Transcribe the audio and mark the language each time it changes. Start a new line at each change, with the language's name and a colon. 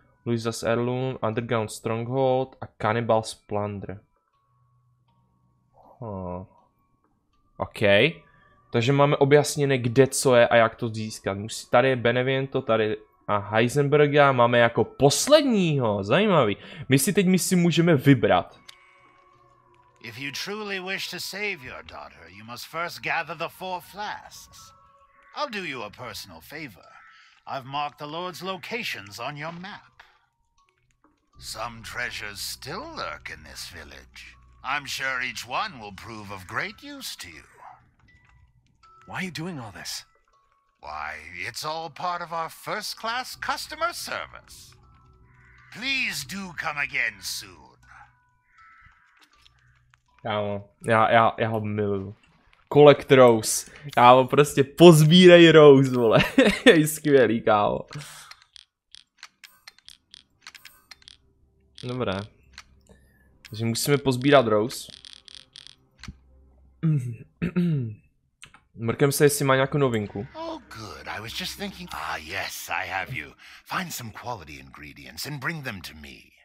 English: Luisa's heirloom, underground stronghold a cannibal's plunder.
Czech: OK. Takže máme objasněné, kde co je a jak to získat. Tady je Beneviento, tady a Heisenberga máme jako posledního. Zajímavý. My si teď můžeme vybrat.
English: If you truly wish to save your daughter, you must first gather the four flasks. I'll do you a personal favor. I've marked the Lord's locations on your map. Some treasures still lurk in this village. I'm sure each one will prove of great use to you. Why are you doing all this? Why, it's all part of our first-class customer service. Please do come again soon.
Czech: Kámo, já ho miluju.
English: Collect Rose.
Czech: Kámo, prostě pozbírej Rose, vole. Je skvělý, kámo. Dobré. Takže musíme pozbírat Rose. Mrkem se, jestli má nějakou novinku.
English: Oh, good. I was just thinking. Ah, yes, I have you. Find some quality ingredients and bring them to me.